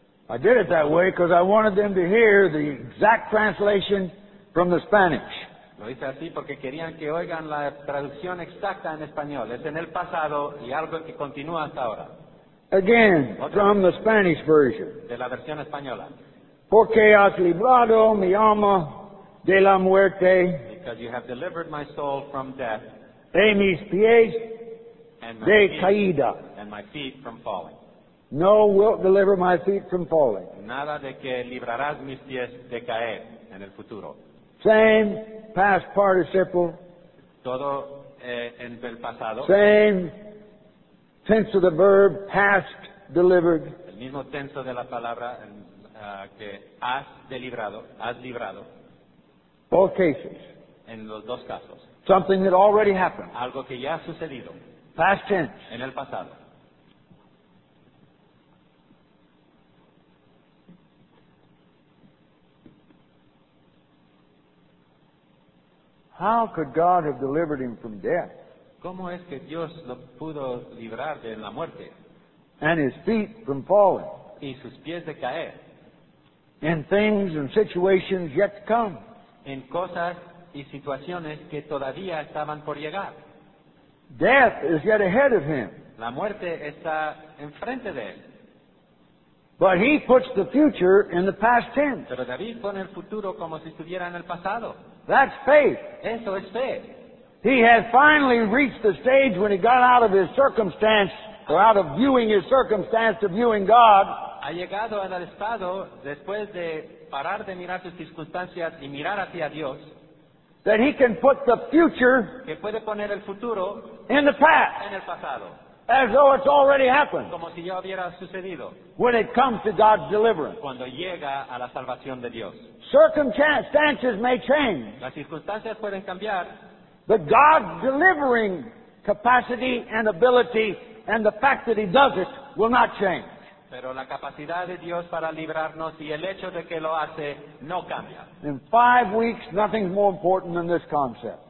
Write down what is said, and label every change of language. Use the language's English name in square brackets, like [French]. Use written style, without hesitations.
[English] I did it that way because I wanted them to hear the exact translation from the Spanish. [Spanish] Lo hice así porque querían que oigan la traducción exacta en español. Es en el pasado y algo que continúa hasta ahora. [English] Again, from the Spanish version. [Spanish] De la versión española. Porque has librado mi alma de la muerte. [English] Because you have delivered my soul from death. [Spanish] De mis pies [English] and [Spanish] de caída. [English] And my feet from falling. No wilt deliver my feet from falling. [Spanish] Nada de que librarás mis pies de caer en el futuro. [English] Same past participle. [Spanish] Todo en el pasado. [English] Same tense of the verb past delivered. [Spanish] El mismo tenso de la palabra que has deliberado, has librado. [English] Both cases. [Spanish] En los dos casos. [English] Something that already happened. [Spanish] Algo que ya ha sucedido. [English] Past tense. [Spanish] En el pasado. [English] How could God have delivered him from death? [Spanish] ¿Cómo es que Dios lo pudo librar de la muerte? [English] And his feet from falling. [Spanish] Y sus pies de caer. [English] And things and situations yet to come. [Spanish] En cosas y situaciones que todavía estaban por llegar. [English] Death is yet ahead of him. [Spanish] La muerte está enfrente de él. [English] But he puts the future in the past tense. [Spanish] Pero David pone el futuro como si estuviera en el pasado. [English] That's faith. [Spanish] Eso es fe. [English] He had finally reached the stage when he got out of his circumstance, or out of viewing his circumstance to viewing God. [Spanish] Ha llegado al estado después de parar de mirar sus circunstancias y mirar hacia Dios. [English] That he can put the future, [Spanish] que puede poner el futuro, [English] in the past, [Spanish] en el pasado, [English] as though it's already happened. [Spanish] Como si ya hubiera sucedido. [English] When it comes to God's deliverance, [Spanish] cuando llega a la salvación de Dios. [English] Circumstances may change. [Spanish] Las circunstancias pueden cambiar. [English] But God's delivering capacity and ability and the fact that He does it will not change. [Spanish] Pero la capacidad de Dios para librarnos y el hecho de que lo hace no cambia. [English] In 5 weeks, nothing's more important than this concept.